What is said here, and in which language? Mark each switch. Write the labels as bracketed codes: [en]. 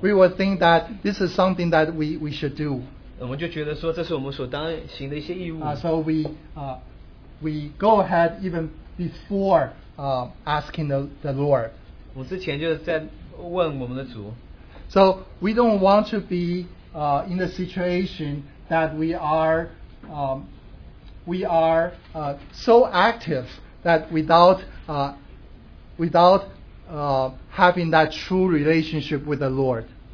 [en] We will think that this is something that we should do. [zh] 我们就觉得说这是我们所当行的一些义务。 [en] So we go ahead even before asking the Lord. [zh] 我之前就在问我们的主。 [en] So we don't want to be in the situation that we are so active that without having that true relationship with the Lord.